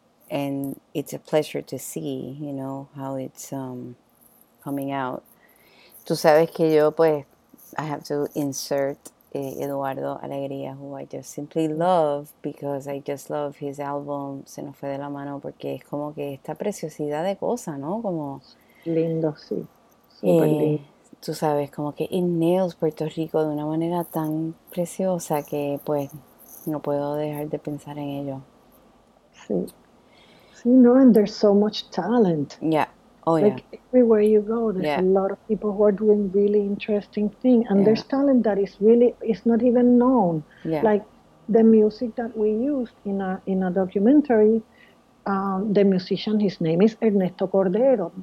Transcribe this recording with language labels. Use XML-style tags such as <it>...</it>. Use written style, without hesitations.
<en>And it's a pleasure to see, you know, how it's coming out. Tú sabes que yo, pues, I have to insert Eduardo Alegría, who I just simply love, because I just love his album Se nos fue de la mano, porque es como que esta preciosidad de cosa, ¿no?</en> <es>Como lindo, sí. Super lindo. Tú sabes, como que it nails Puerto Rico de una manera tan preciosa que, pues, no puedo dejar de pensar en ello. Sí.</es> <en>Sí, no, and there's so much talent. Yeah. Oh, like, yeah. Everywhere you go, there's yeah. a lot of people who are doing really interesting things. And yeah. there's talent that is really, it's not even known. Yeah. Like the music that we used in a documentary, the musician, his name is Ernesto Cordero.</en>